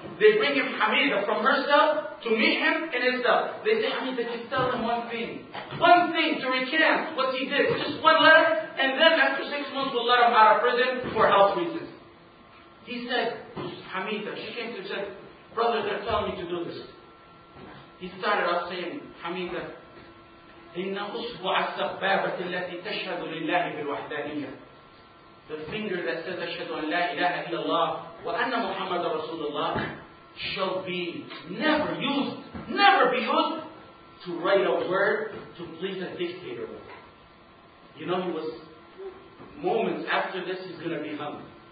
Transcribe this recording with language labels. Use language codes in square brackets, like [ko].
[en] They bring him Hamida from herself to meet him in his cell. They say, Hamida, just tell him one thing. One thing to recant what he did. Just one letter, and then after 6 months we'll let him out of prison for health reasons. He said, Hamida, she came to him and said, brother, they're telling me to do this. He started off saying, Hamida, [ar] إِنَّ أُصْبُعَ السَّبَّابَةِ الَّتِي تَشْهَدُ لِلَّهِ بِالْوَحْدَانِيَةِ. [en] The finger that says, [ar] أشهد أن لا إله إلا الله وأن محمد رسول الله [en] shall be never used, never be used to write a word to please a dictator. You know, he was moments after this, he's going to be hung.